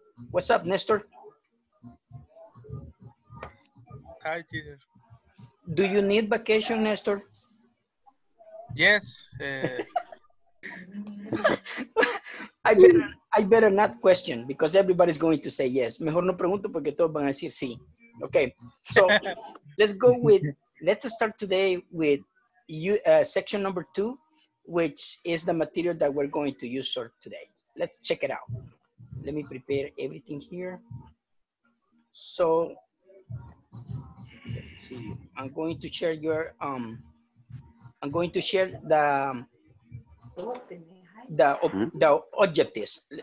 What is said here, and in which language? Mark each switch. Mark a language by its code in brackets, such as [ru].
[en] What's up, Nestor? Hi, teacher. Do you need vacation, Nestor? Yes. I better not question because everybody's going to say yes. [es] Mejor no pregunto porque todos van a decir sí. [en] Okay. So let's start today with you, section number 2, which is the material that we're going to use for today. Let's check it out. Let me prepare everything here. So let's see, I'm going to share the objectives.